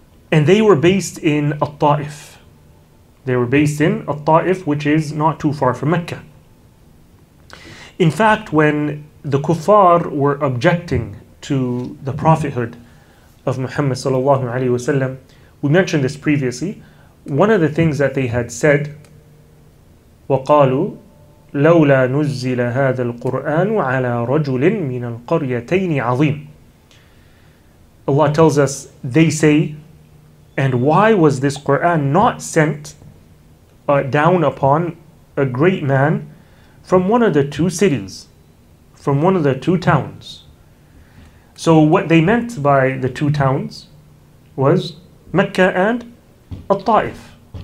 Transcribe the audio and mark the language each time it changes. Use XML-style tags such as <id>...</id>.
<en>And they were based in At-Ta'if. They were based in At-Ta'if, which is not too far from Mecca. In fact, when the Kuffar were objecting to the prophethood of Muhammad sallallahu alayhi wa sallam, we mentioned this previously. One of the things that they had said,</en> <ar>وَقَالُوا لَوْلَا نُزِّلَ هَذَا الْقُرْآنُ عَلَىٰ رَجُلٍ مِّنَ الْقَرْيَتَيْنِ عَظِيمٍ.</ar> <en>Allah tells us, they say, and why was this Qur'an not sent down upon a great man from one of the two cities, from one of the two towns? So what they meant by the two towns was Mecca and At-Ta'if.</en>